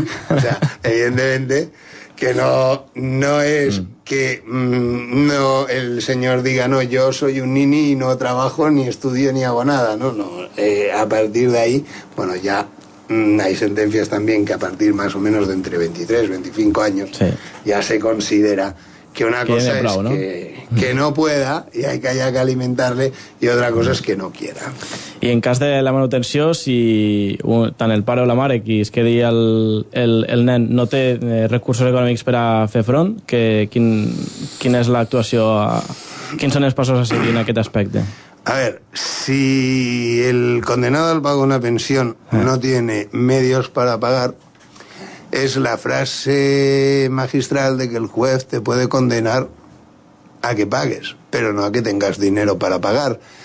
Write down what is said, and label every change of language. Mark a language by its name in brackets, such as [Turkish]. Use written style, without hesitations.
[Spanish] O sea, evidentemente que no es que no el señor diga, no, yo soy un nini y no trabajo, ni estudio, ni hago nada. No, no. A partir de ahí, bueno, ya hay sentencias también que a partir más o menos de entre 23, 25 años, sí, ya se considera que una cosa es Blau, ¿no? Que no pueda y hay que haya que alimentarle, y otra cosa es que no quiera. [Catalan] Y en caso de la manutención, si tant el pare o la mare, qui es quedi el nen, no té recursos econòmics per a fer front, que quin és l'actuació, quins són els passos a seguir en aquest aspecte? [Spanish] A ver, si el condenado al pago de una pensión no tiene medios para pagar, es la frase magistral de que el juez te puede condenar a que pagues, pero no a que tengas dinero para pagar.